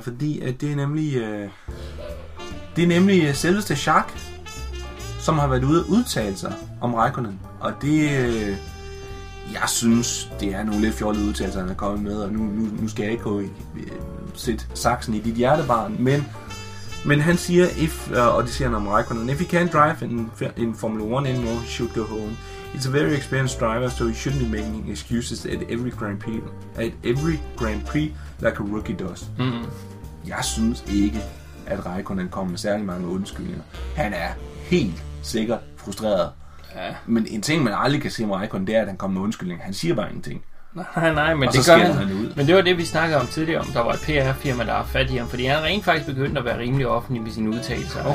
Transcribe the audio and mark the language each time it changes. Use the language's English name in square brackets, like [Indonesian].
[Danish] Fordi at det er nemlig selveste Shaq, som har været ude at udtale sig om Raikkonen. Og det... jeg synes, det er nogle lidt fjollede udtalelser, han er kommet med, og nu skal jeg ikke gå sætte saksen i dit hjertebarn, men han siger, [English] if he can't drive in Formula 1 anymore, he should go home. It's a very experienced driver, so he shouldn't be making excuses at every Grand Prix like a rookie does. Mm-hmm. [Danish] Jeg synes ikke, at Raikkonen kommer med særlig mange undskyldninger. Han er helt sikkert frustreret. Ja. Men en ting, man aldrig kan se om Raikkonen, det er, at han kommer med undskyldning. Han siger bare ingenting. Nej, men det gør han ud. Men det var det, vi snakkede om tidligere, om der var et PR-firma, der har fat i ham. Fordi han rent faktisk begyndt at være rimelig offentlig med sine udtalelser.